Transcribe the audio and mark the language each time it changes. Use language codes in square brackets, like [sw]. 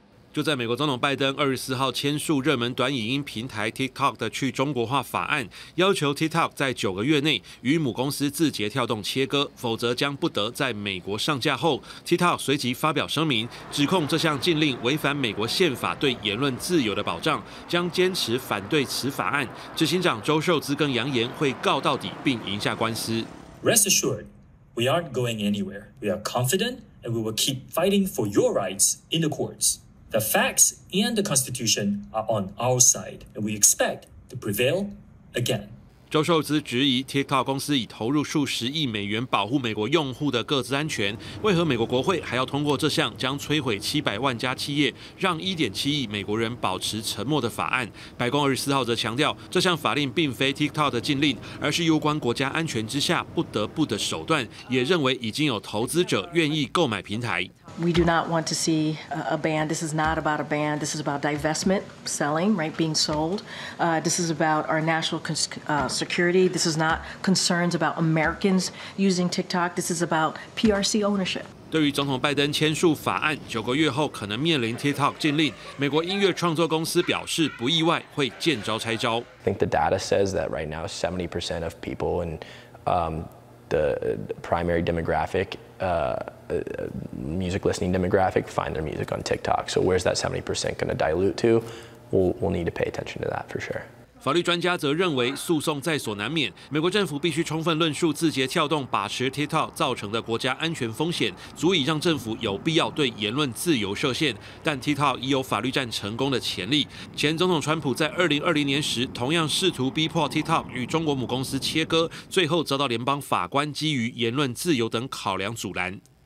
[zh] 就在美国总统拜登24号签署热门短影音平台 TikTok 的去中国化法案，要求 TikTok 在9个月内与母公司字节跳动切割，否则将不得在美国上架后 ，TikTok 随即发表声明，指控这项禁令违反美国宪法对言论自由的保障，将坚持反对此法案。执行长周受资更扬言会告到底，并赢下官司。 [en] Rest assured, we aren't going anywhere. We are confident, and we will keep fighting for your rights in the courts. The facts and the Constitution are on our side, and we expect to prevail again. [zh] 周受资质疑 TikTok 公司已投入数十亿美元保护美国用户的个资安全，为何美国国会还要通过这项将摧毁700万家企业、让1.7亿美国人保持沉默的法案？白宫24号则强调，这项法令并非 TikTok 的禁令，而是攸关国家安全之下不得不的手段，也认为已经有投资者愿意购买平台。 [en] We do not want to see a ban. This is not about a ban. This is about divestment, selling, right, being sold. This is about our national security. This is not concerns about Americans using TikTok. This is about PRC ownership. [zh] 对于总统拜登签署法案，9个月后可能面临 TikTok 禁令，美国音乐创作公司表示不意外会见招拆招。 [en] I think the data says that right now 70% of people in the primary demographic, music listening demographic, find their music on TikTok. So where's that 70% going to dilute to? We'll need to pay attention to that for sure. [zh] 法律专家则认为，诉讼在所难免，美国政府必须充分论述字节跳动把持 TikTok 造成的国家安全风险，足以让政府有必要对言论自由设限。但 TikTok 已有法律战成功的潜力。前总统川普在2020年时，同样试图逼迫 TikTok 与中国母公司切割，最后遭到联邦法官基于言论自由等考量阻拦。